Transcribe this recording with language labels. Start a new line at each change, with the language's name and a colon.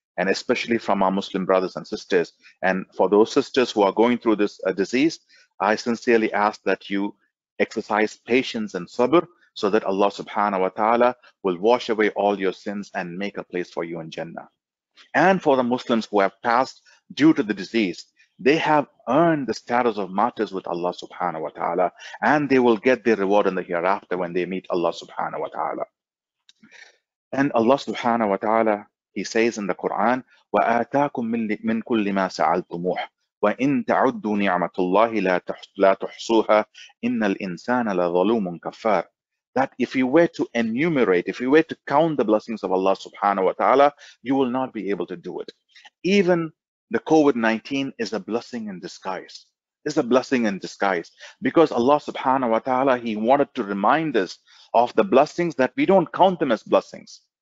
English: And especially from our Muslim brothers and sisters. And for those sisters who are going through this disease, I sincerely ask that you exercise patience and sabr so that Allah subhanahu wa ta'ala will wash away all your sins and make a place for you in Jannah. And for the Muslims who have passed due to the disease, they have earned the status of martyrs with Allah subhanahu wa ta'ala, and they will get their reward in the hereafter when they meet Allah subhanahu wa ta'ala. And Allah subhanahu wa ta'ala, He says in the Quran,
Arabic: وَآتَاكُمْ مِنْ كُلِّ مَا سَعَلْتُمُوحُ وَإِنْ تَعُدُّوا نِعْمَةُ اللَّهِ لَا تُحْصُوهَا إِنَّ الْإِنسَانَ لَظَلُومٌ كَفَّارٌ.
English: That if you were to enumerate, if you were to count the blessings of Allah subhanahu wa ta'ala, you will not be able to do it. Even the COVID-19 is a blessing in disguise. is a blessing in disguise, because Allah subhanahu wa ta'ala, He wanted to remind us of the blessings that we don't count them as blessings.